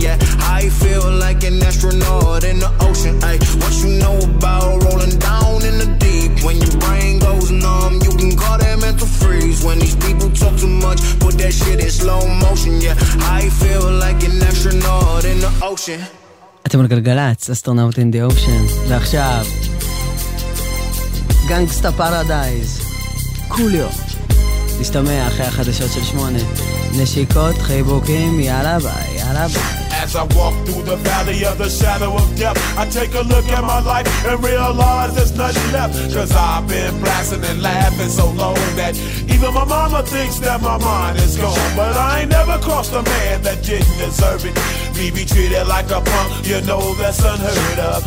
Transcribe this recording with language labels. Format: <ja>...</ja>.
<en>Yeah, I feel like an astronaut in the ocean. Ay, what you know about rolling down in the deep? When your brain goes numb, you can call that mental freeze. When these people talk too much, put that shit in slow motion. Yeah, I feel like an astronaut in the ocean.</en> <he>אתם על גלגלץ, אסטרונאוט in the ocean. ועכשיו גנגסטה פארדייז, קוליו. נשתמע אחרי החדשות של שמונה. נשיקות, חיבוקים, יאללה ביי, יאללה ביי.</he> <en>As I walk through the valley of the shadow of death, I take a look at my life and realize there's nothing left. Cause I've been blasting and laughing so long that even my mama thinks that my mind is gone. But I ain't never crossed a man that didn't deserve it. Me be treated like a punk, you know that's unheard of.</en>